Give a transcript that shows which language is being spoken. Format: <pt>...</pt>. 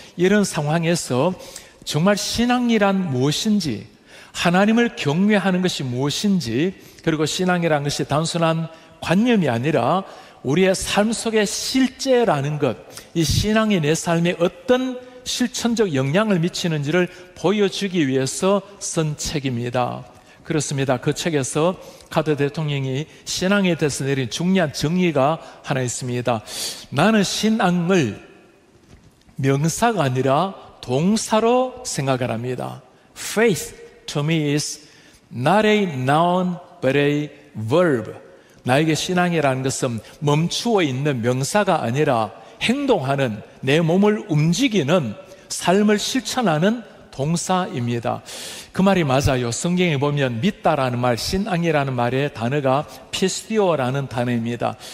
<ko>이런 상황에서 정말 신앙이란 무엇인지, 하나님을 경외하는 것이 무엇인지, 그리고 신앙이란 것이 단순한 관념이 아니라 우리의 삶 속의 실제라는 것, 이 신앙이 내 삶에 어떤 실천적 영향을 미치는지를 보여주기 위해서 쓴 책입니다. 그렇습니다. 그 책에서 카터 대통령이 신앙에 대해서 내린 중요한 정의가 하나 있습니다. 나는 신앙을 명사가 아니라 동사로 생각을 합니다.</ko> <en>Faith to me is not a noun but a verb.</en> <ko>나에게 신앙이라는 것은 멈추어 있는 명사가 아니라 행동하는, 내 몸을 움직이는, 삶을 실천하는 동사입니다. 그 말이 맞아요. 성경에 보면 믿다라는 말, 신앙이라는 말의 단어가 피스티오라는 단어입니다.</ko>